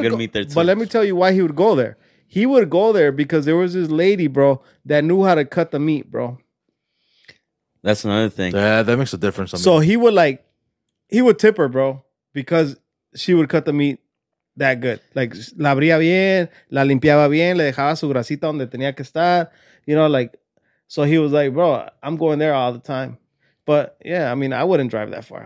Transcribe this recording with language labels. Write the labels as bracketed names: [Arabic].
[English] would good meat there, too. But let me tell you why he would go there. He would go there because there was this lady, bro, that knew how to cut the meat, bro. That's another thing. Yeah, that makes a difference. So he would like, he would tip her, bro, because she would cut the meat that good. [Spanish] Like, la abría bien, la limpiaba bien, le dejaba su grasita donde tenía que estar. [English] You know, like, so he was like, bro, I'm going there all the time. But, yeah, I mean, I wouldn't drive that far.